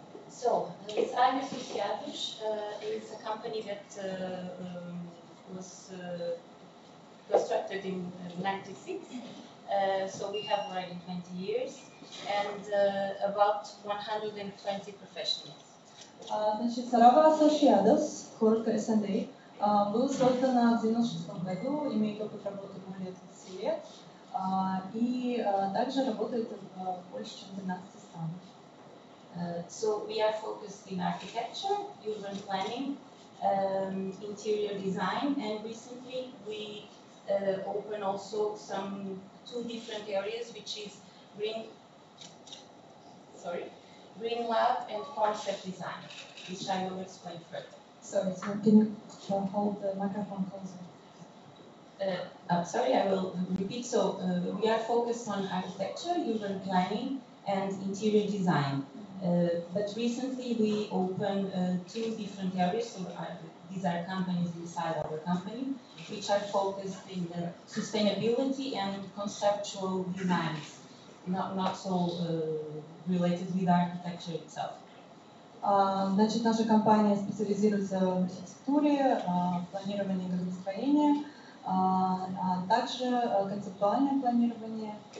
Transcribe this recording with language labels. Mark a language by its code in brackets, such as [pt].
[en] So, Simon Sosiatus is a company that was constructed in 1996. So we have already 20 years and about 120 professionals. [ru] Значит, Сарава Сосиатус, коротко СНД, был создан в 96 году, имеет опыт работы более 20 лет и также работает в больше чем 12 странах. [en] So we are focused in architecture, urban planning, interior design, and recently we opened also some two different areas, which is green lab and concept design, which I will explain further. Sorry, can you hold the microphone closer? I will repeat. So we are focused on architecture, urban planning, and interior design. But recently we opened two different areas, so these are companies inside our company, which are focused in the sustainability and conceptual designs, not so related with architecture itself. [ru] Значит, наша компания специализируется в архитектуре, планировании градостроения, а также концептуальное планирование.